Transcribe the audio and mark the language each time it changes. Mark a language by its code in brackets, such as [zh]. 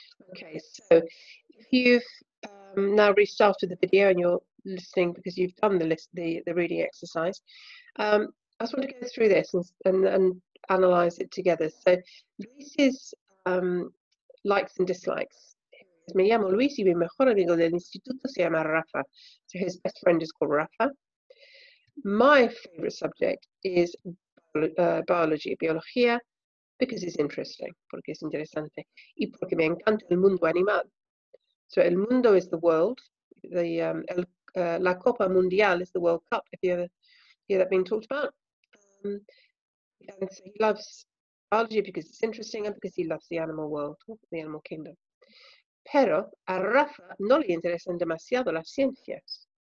[en] Okay, so if you've now restarted the video and you're listening because you've done the reading exercise, I just want to go through this and analyze it together. So Luis is likes and dislikes. [es] Me llamo Luis y mi mejor amigo del instituto se llama Rafa. [en] So his best friend is called Rafa. My favorite subject is biology, biología, because it's interesting, [es] porque es interesante, y porque me encanta el mundo animal. [en] So el mundo is the world, the La Copa Mundial is the World Cup, if you ever hear that being talked about. And so he loves biology because it's interesting and because he loves the animal world, the animal kingdom. [es] Pero a Rafa no le interesan demasiado las ciencias.